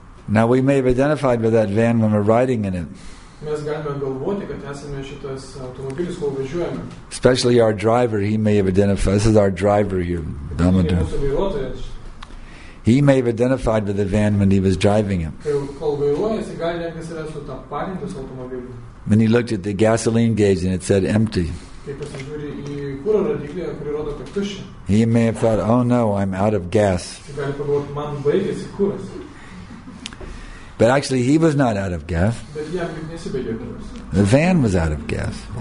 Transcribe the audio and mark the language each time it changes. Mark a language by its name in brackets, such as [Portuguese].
[English] Now we may have identified with that van when we're riding in it. [Lithuanian] Mes galime galvoti, kad esame šitas automobilis, kol važiuojame. [English] Especially our driver, he may have identified. This is our driver here, Damodar. He may have identified with the van when he was driving him. [Lithuanian] Kol vairuojasi, gali netgi save sutapatinti su automobiliu. [English] When he looked at the gasoline gauge and it said empty. [Lithuanian] Kai pasižiūri į kuro rodiklį, kuri rodo, kad tuščia. [English] He may have thought, oh no, I'm out of gas. [Lithuanian] Gali pagalvoti, man baigėsi kuras. [English] But actually, he was not out of gas. The van was out of gas.